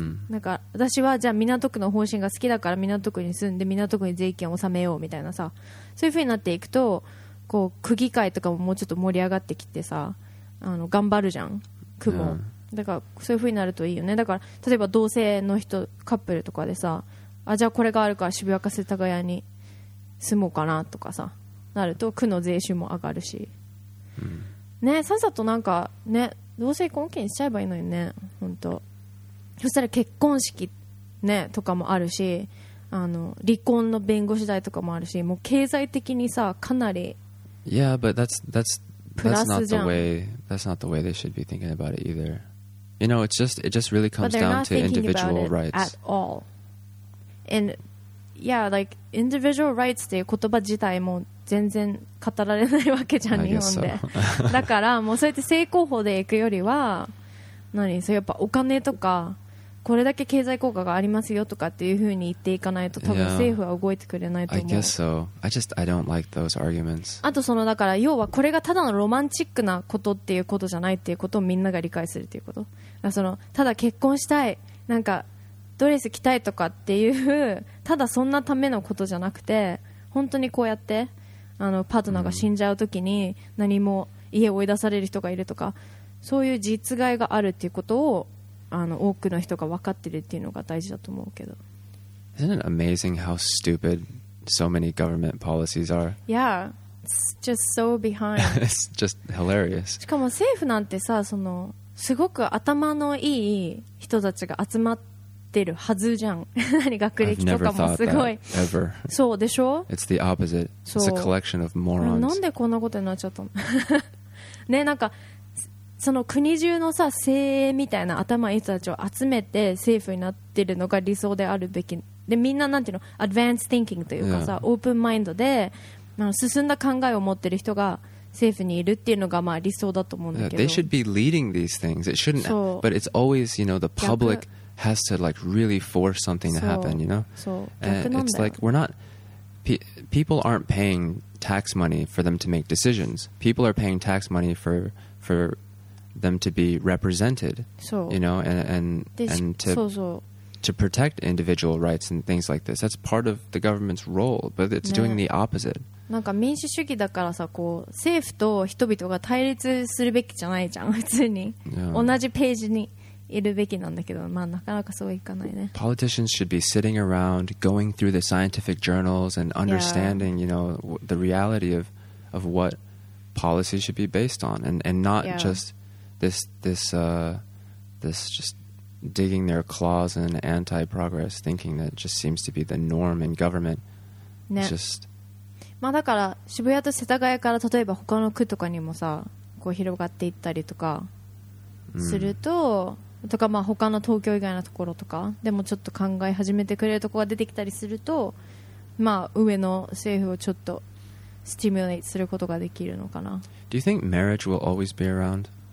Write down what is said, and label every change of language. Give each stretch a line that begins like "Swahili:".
Japanese: なんか私はじゃあ港区の方針が好きだから港区に住んで港区に税金を納めようみたいなさ、そういう風になっていくとこう区議会とかももうちょっと盛り上がってきてさ、頑張るじゃん区も、だからそういう風になるといいよね。だから例えば同性の人カップルとかでさ、あ、じゃあこれがあるから渋谷か世田谷に住もうかなとかさ、なると区の税収も上がるし、ね、さっさとなんかね、同性婚権しちゃえばいいのにね、本当。そしたら結婚式、ね、とかもあるし、離婚の弁護士代とかもあるし、もう経済的にさかなり、
English: yeah, but that's not the way they should be thinking about it either. You know, it just really comes down to individual rights. At all. And yeah, like individual rights
Japanese: っていう言葉自体も全然語られないわけじゃん、日本で。だからもうそうやって成功法で行くよりは、何それ、やっぱお金とかこれだけ経済効果がありますよとかっていう風に言っていかないと、多分政府は動いてくれないと思う。
English: I guess so. I don't like those arguments.
Japanese: あと、そのだから要はこれがただのロマンチックなことっていうことじゃないっていうことをみんなが理解するっていうこと。だそのただ結婚したい、なんかドレス着たいとかっていう、ただそんなためのことじゃなくて、本当にこうやってあのパートナーが死んじゃうときに何も家を追い出される人がいるとか、そういう実害があるっていうことを、あの多くの人が分かってるっていうのが大事だと思うけど。
English: Isn't it amazing how stupid so many government policies are? Yeah, it's just so behind. It's just hilarious.
Japanese: しかも政府なんてさ、そのすごく頭のいい人たちが集まってるはずじゃん。何、学歴とかもすごい。
English: I've never thought that, ever.
Japanese: そうでしょ？
English: It's the opposite. It's a collection of morons.
Japanese: なんでこんなことになっちゃったの？ね、なんかその国中のさ精鋭みたいな頭いい人たちを集めて政府になってるのが理想であるべきで、みんななんていうの、アドバンスティンキングというかさ、オープンマインドで進んだ考えを持ってる人が政府にいるっていうのがまあ理想だと思うんだけど、
English: They should be leading these things. It shouldn't, but it's always, you know, the public has to like really force something to happen, you know?
Japanese: そう、逆なんだよ。
English: It's like we're not, people aren't paying tax money for them to make decisions. People are paying tax money for them to be represented, you know, and to protect individual rights and things like this. That's part of the government's role, but it's doing the opposite.
Japanese: なんか民主主義だからさ、こう政府と人々が対立するべきじゃないじゃん、普通に、同じページにいるべきなんだけど、まあなかなかそういかないね。
English: Politicians should be sitting around going through the scientific journals and understanding, you know, the reality of what policy should be based on, and not justThis just digging their claws in anti-progress thinking that just seems to be the norm in government.
Japanese: ね。
English: Just.
Japanese: まあだから渋谷と世田谷から例えば他の区とかにもさ、こう広がっていったりとかすると、とかまあ他の東京以外のところとかでもちょっと考え始めてくれるところが出てきたりすると、まあ上の政府をちょっとスティミュレートすることができるのかな。
English: Do you think marriage will always be around?